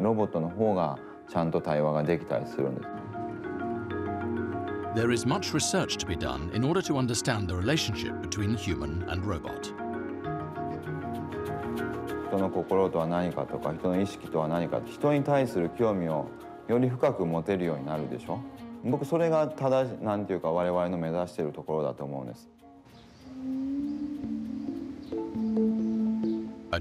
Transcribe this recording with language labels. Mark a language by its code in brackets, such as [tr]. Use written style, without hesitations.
[ja] ただ僕のその、やってる研究は、その工場の中のロボットじゃなくって、一般の生活の中で、人と対話をしながら働くロボットなわけですよね。で、そういったロボットもどんどん、広がっていくと思います。あとは高齢者の方で認知症の方とか、あとは自閉症の子供たちも人と関わるのが苦手なんですよね。ロボットの方がちゃんと対話ができたりするんです。 [en] There is much research to be done in order to understand the relationship between the human and robot. [ja] 人の心とは何かとか、人の意識とは何か、人に対する興味をより深く持てるようになるでしょ。僕それが正しい、なんていうか我々の目指しているところだと思うんです。A